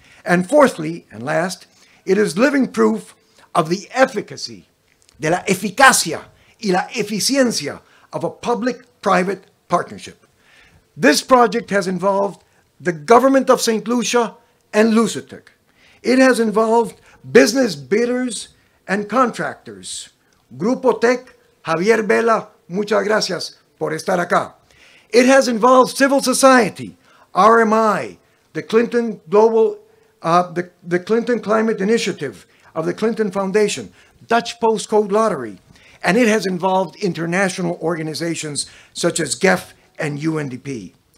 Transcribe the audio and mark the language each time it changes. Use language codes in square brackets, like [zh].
[en] And fourthly, and last, it is living proof of the efficacy, [es] de la eficacia y la eficiencia [en] of a public-private partnership. This project has involved the government of St. Lucia and LUCELEC. It has involved business bidders and contractors. [es] Grupo Tec, Javier Vela, muchas gracias por estar acá. [en] It has involved civil society, RMI, the Clinton Climate Initiative of the Clinton Foundation, Dutch Postcode Lottery, and it has involved international organizations such as GEF and UNDP.